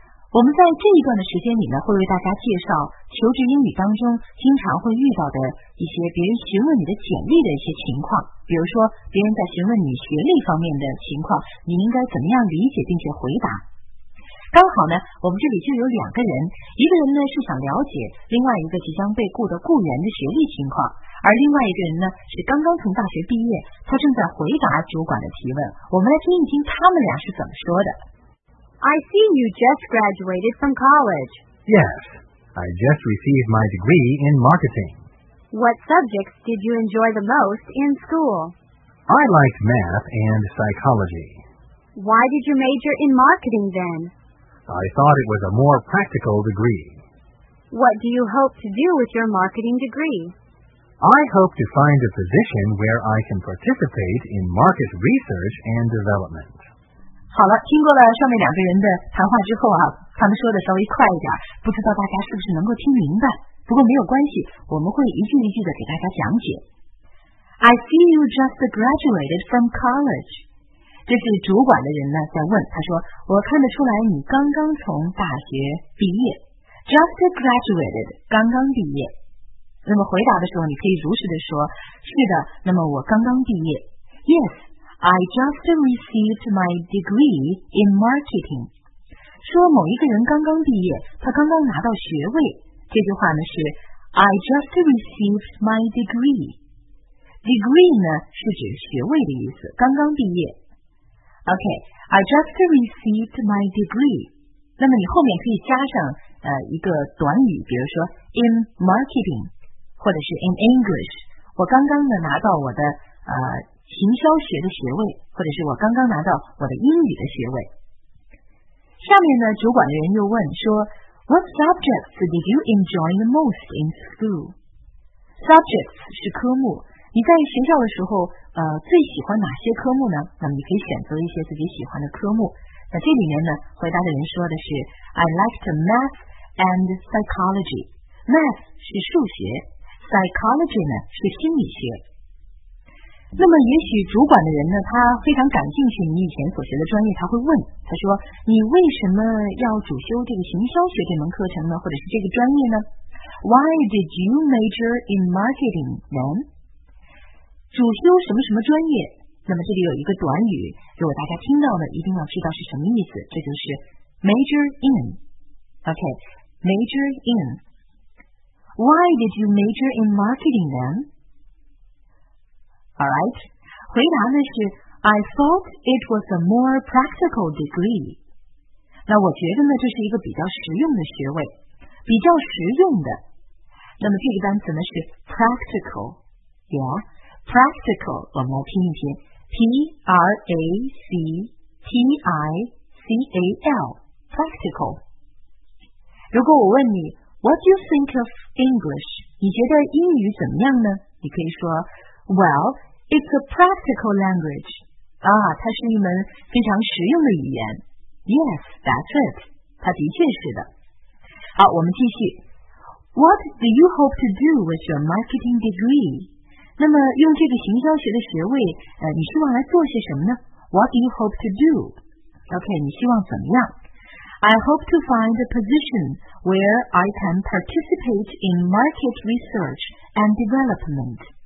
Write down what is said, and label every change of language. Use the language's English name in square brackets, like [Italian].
[Chinese] 我们在这一段的时间里呢会为大家介绍求职英语当中经常会遇到的一些别人询问你的简历的一些情况，比如说别人在询问你学历方面的情况，你应该怎么样理解并且回答。刚好呢我们这里就有两个人，一个人呢是想了解另外一个即将被雇的雇员的学历情况，而另外一个人呢是刚刚从大学毕业，他正在回答主管的提问。我们来听一听他们俩是怎么说的。 [English] I see you just graduated from college. Yes, I just received my degree in marketing. What subjects did you enjoy the most in school? I liked math and psychology. Why did you major in marketing then? I thought it was a more practical degree. What do you hope to do with your marketing degree? I hope to find a position where I can participate in market research and development. [Chinese] 好了，听过了上面两个人的谈话之后啊，他们说的稍微快一点，不知道大家是不是能够听明白，不过没有关系，我们会一句一句的给大家讲解。 [English] I see you just graduated from college. [Chinese] 这是主管的人呢在问，他说我看得出来你刚刚从大学毕业， [English] just graduated， [Chinese] 刚刚毕业。那么回答的时候你可以如实的说，是的，那么我刚刚毕业。 [English] YesI just received my degree in marketing. [Chinese] 说某一个人刚刚毕业，他刚刚拿到学位，这句话呢是 [English] I just received my degree. [Chinese] Degree 呢是指学位的意思，刚刚毕业。 [English] OK, I just received my degree. [Chinese] 那么你后面可以加上一个短语，比如说 in marketing 或者是 in English. 我刚刚呢拿到我的行销学的学位，或者是我刚刚拿到我的英语的学位。下面呢主管的人又问说 [English] What subjects did you enjoy the most in school? [Chinese] Subjects 是科目，你在学校的时候最喜欢哪些科目呢？那么你可以选择一些自己喜欢的科目。那这里面呢回答的人说的是 [English] I liked math and psychology. [Chinese] Math 是数学， psychology 呢是心理学。那么也许主管的人呢他非常感兴趣你以前所学的专业，他会问，他说你为什么要主修这个行销学这门课程呢，或者是这个专业呢？ [English] Why did you major in marketing then? [Chinese] 主修什么什么专业，那么这里有一个短语，如果大家听到了一定要知道是什么意思，这就是 major in. [English] OK, major in. Why did you major in marketing then? Alright, [Chinese] 回答的是 [English] I thought it was a more practical degree. [Chinese] 那我觉得呢这是一个比较实用的学位，比较实用的。那么这个单词呢是 practical. [English] Yeah, practical, [Chinese] 我们来听一听 [English] P-R-A-C-T-I-C-A-L, practical. [Chinese] 如果我问你 [English] What do you think of English? [Chinese] 你觉得英语怎么样呢？你可以说 [English] WellIt's a practical language. [Chinese] 啊，它是一门非常实用的语言。 [English] Yes, that's it. [Chinese] 它的确是的。好，我们继续。 [English] What do you hope to do with your marketing degree? [Chinese] 那么用这个行销学的学位你希望来做些什么呢？ [English] What do you hope to do? OK, [Chinese] 你希望怎么样？ [English] I hope to find a position where I can participate in market research and development.